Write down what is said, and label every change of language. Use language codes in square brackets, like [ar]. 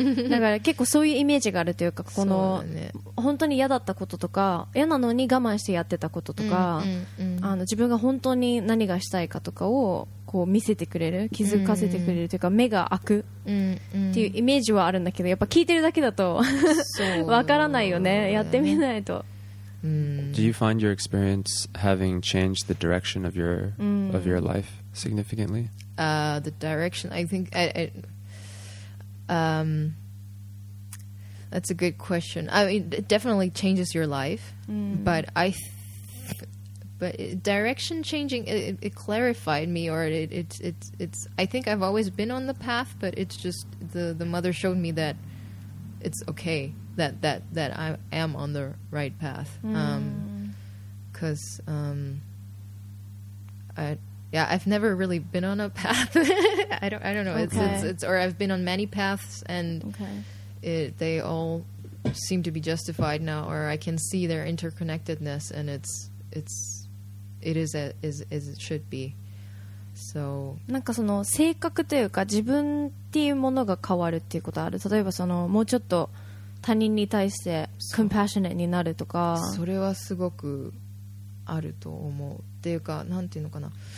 [ja] だから結構そういうイメージがあるというか、この本当に嫌だったこととか、嫌なのに我慢してやってたこととか、自分が本当に何がしたいかとかをこう見せてくれる、気づかせてくれるというか、目が開くっていうイメージはあるんだけど、やっぱ聞いてるだけだとわからないよね、やってみないと。 [en] Do you find your experience having changed the direction of your of your life significantly? The direction, I think, that's a good question. I mean, it definitely changes your life, but but direction changing, it clarified me, or it's I think I've always been on the path, but it's just the mother showed me that it's okay, that I am on the right path. I've never really been on a path. I don't know. Okay. Or I've been on many paths, and okay. They all seem to be justified now, or I can see their interconnectedness, and it is as it should be. So, [ja] なんかその性格というか自分っていうものが変わるっていうことある。例えばそのもうちょっと他人に対して compassionate になるとか。それはすごくあると思う。っていうかなんていうのかな。